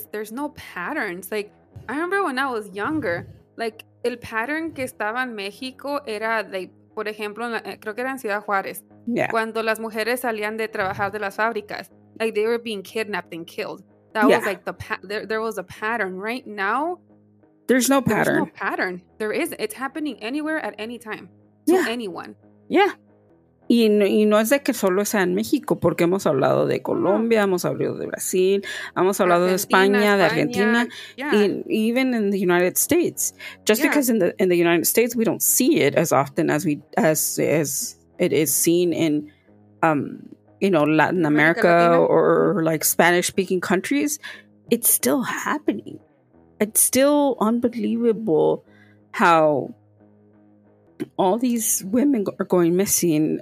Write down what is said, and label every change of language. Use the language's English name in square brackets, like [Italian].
[Spanish] There's no patterns. Like, I remember when I was younger, like, el pattern que estaba en México era, like, por ejemplo, creo que era en Ciudad Juárez. [English] Yeah. [Spanish] Cuando las mujeres salían de trabajar de las fábricas, like, they were being kidnapped and killed. [English] That yeah. was, like, there was a pattern. Right now, there's no pattern. There's no pattern. There is. It's happening anywhere at any time to yeah. anyone. Yeah. [Spanish] Y no es de que solo sea en México, porque hemos hablado de Colombia, hemos hablado de Brasil, hemos hablado Argentina, de España, de Argentina, [English] yeah. even in the United States. Just yeah. because in the United States we don't see it as often as it is seen in you know, Latin America or like Spanish speaking countries, it's still happening. It's still unbelievable how all these women are going missing.